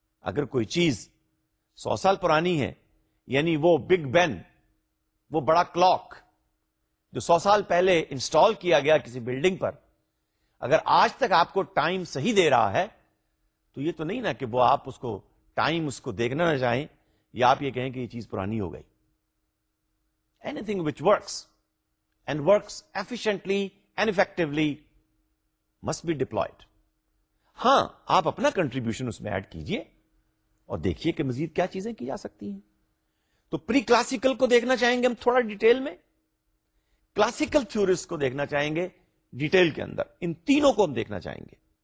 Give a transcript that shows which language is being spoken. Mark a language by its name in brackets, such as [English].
[Urdu] اگر کوئی چیز 100 years پرانی ہے، یعنی وہ بگ بین، وہ بڑا کلاک جو 100 years پہلے انسٹال کیا گیا کسی بلڈنگ پر، اگر آج تک آپ کو ٹائم صحیح دے رہا ہے تو یہ تو نہیں نا کہ وہ آپ اس کو ٹائم اس کو دیکھنا نہ چاہیں، یا آپ یہ کہیں کہ یہ چیز پرانی ہو گئی. [English] Anything which works and works efficiently and effectively must be deployed. [Urdu] ہاں، آپ اپنا کنٹریبیوشن اس میں ایڈ کیجئے اور دیکھیے کہ مزید کیا چیزیں کی جا سکتی ہیں. تو پری کلاسیکل کو دیکھنا چاہیں گے ہم تھوڑا ڈیٹیل میں، کلاسیکل تھیورسٹ کو دیکھنا چاہیں گے ڈیٹیل کے اندر، ان تینوں کو ہم دیکھنا چاہیں گے.